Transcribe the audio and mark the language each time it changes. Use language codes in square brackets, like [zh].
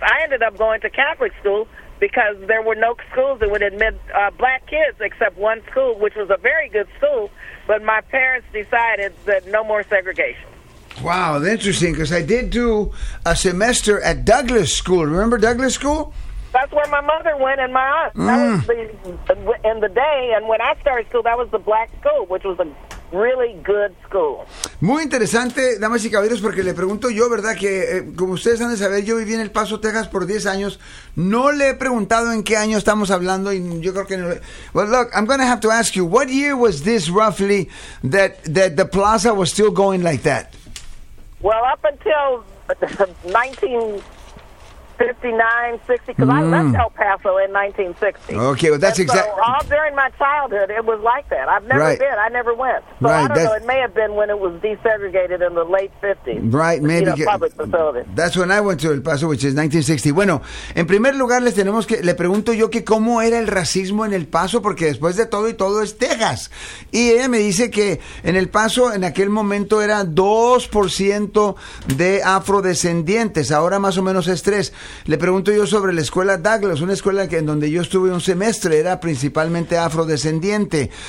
[en] I ended up going to Catholic school because there were no schools that would admit black kids except one school, which was a very good school, but my parents decided that no more segregation. Wow, that's interesting, because I did do a semester at Douglas School. Remember Douglas School? That's where my mother went and my aunt. That was in the day, and when I started school, that was the black school, which was a really good school. [es] Muy interesante, damas y caballeros, porque le pregunto yo, ¿verdad? Que como ustedes han de saber, yo viví en El Paso, Texas por 10 años. No le he preguntado en qué año estamos hablando, y yo creo que no. [en] Well, look, I'm going to have to ask you, what year was this roughly that the plaza was still going like that? Well, up until 1959, 60, because I left El Paso in 1960. Okay, well, that's exactly. So all during my childhood, it was like that. I've never been. I never went. So I don't know. It may have been when it was desegregated in the late 50s. Right, maybe. You know, public facility. That's when I went to El Paso, which is 1960. [es] Bueno, en primer lugar, le pregunto yo que cómo era el racismo en El Paso, porque después de todo y todo es Texas. Y ella me dice que en El Paso, en aquel momento, era 2% de afrodescendientes. Ahora más o menos es 3%. Le pregunto yo sobre la escuela Douglas, una escuela en donde yo estuve un semestre, era principalmente afrodescendiente.